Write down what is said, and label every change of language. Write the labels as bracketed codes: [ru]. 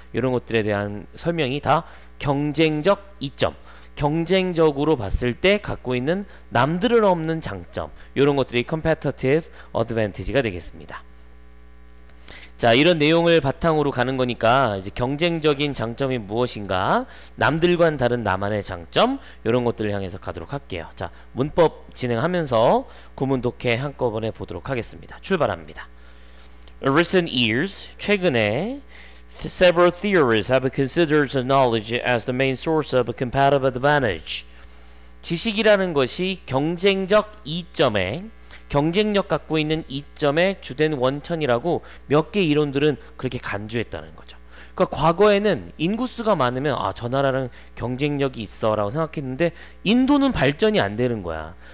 [ko] 이런 것들에 대한 설명이 다 경쟁적 이점, 경쟁적으로 봤을 때 갖고 있는 남들은 없는 장점, 이런 것들이 competitive advantage가 되겠습니다. 자, 이런 내용을 바탕으로 가는 거니까 이제 경쟁적인 장점이 무엇인가? 남들과는 다른 나만의 장점? 이런 것들을 향해서 가도록 할게요. 자, 문법 진행하면서 구문독해 한꺼번에 보도록 하겠습니다. 출발합니다. [en] Recent years, [ko] 최근에 [en] several theorists have considered knowledge as the main source of a competitive advantage. [ko] 지식이라는 것이 경쟁적 이점에 경쟁력 갖고 있는 이점의 주된 원천이라고 몇개 이론들은 그렇게 간주했다는 거죠. 그러니까 과거에는 인구수가 많으면 아, 저 나라랑 경쟁력이 있어라고 생각했는데 인도는 발전이 안 되는 거야.